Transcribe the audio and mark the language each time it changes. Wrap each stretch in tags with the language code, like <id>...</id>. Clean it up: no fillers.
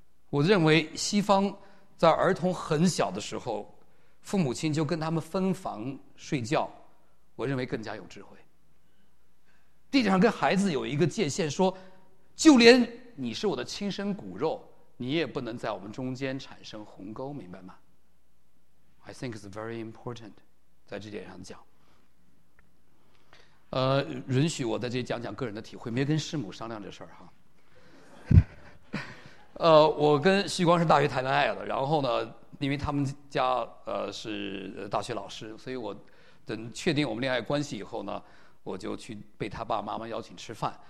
<zh>我认为西方在儿童很小的时候，父母亲就跟他们分房睡觉，我认为更加有智慧。地上跟孩子有一个界限，说就连你是我的亲生骨肉，你也不能在我们中间产生鸿沟，明白吗？</zh> <en>I think it's very important</en> <zh>在这点上讲。允许我在这里讲讲个人的体会，没跟师母商量这事儿哈。我跟旭光是大学谈恋爱的，然后呢，因为他们家是大学老师，所以我等确定我们恋爱关系以后呢，我就去被他爸爸妈妈邀请吃饭。</zh>